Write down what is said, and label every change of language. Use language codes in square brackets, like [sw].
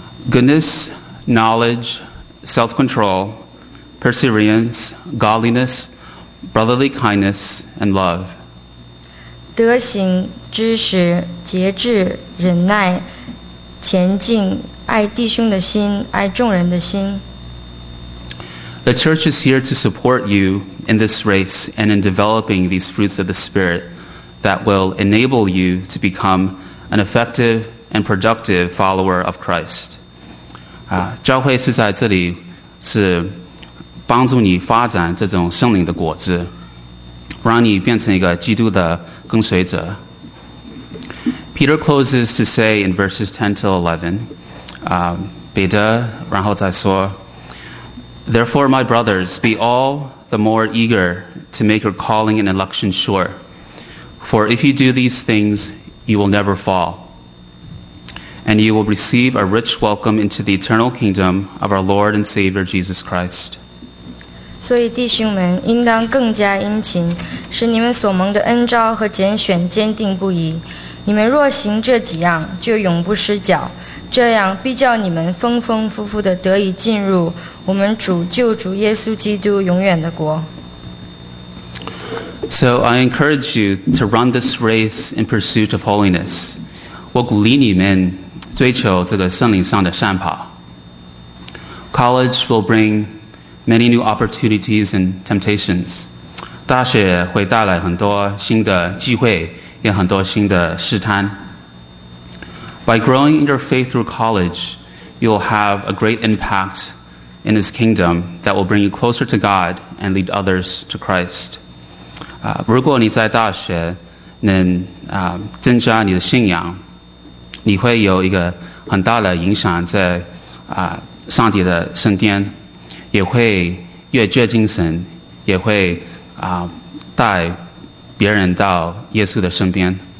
[en] Goodness, knowledge, self-control, perseverance, godliness, brotherly kindness, and love. [zh] 德行、知识、节制、忍耐、前进、爱弟兄的心、爱众人的心。 [en] The church is here to support you in this race and in developing these fruits of the Spirit that will enable you to become an effective and productive follower of Christ. [zh] 教会是在这里是帮助你发展这种圣灵的果子，让你变成一个基督的更随者。 [en] Peter closes to say in verses 10 to 11, [zh] 彼得然后再说， [en] Therefore, my brothers, be all the more eager to make your calling and election sure. For if you do these things, you will never fall. And you will receive a rich welcome into the eternal kingdom of our Lord and Savior Jesus Christ. [zh] 所以弟兄们应当更加殷勤，使你们所蒙的恩召和拣选坚定不移。你们若行这几样，就永不失脚，这样必叫你们丰丰富富地得以进入我们主救主耶稣基督永远的国。 [en] So I encourage you to run this race in pursuit of holiness. [zh] 我鼓励你们追求这个圣灵上的善跑。 [en] College will bringmany new opportunities and temptations. [zh] 大学会带来很多新的机会，也很多新的试探。 [en] By growing in your faith through college, you will have a great impact in His kingdom that will bring you closer to God and lead others to Christ. [zh] 如果你在大学能增加你的信仰，你会有一个很大的影响在上帝的圣殿。也会越接近神，也会带别人到耶稣的身边。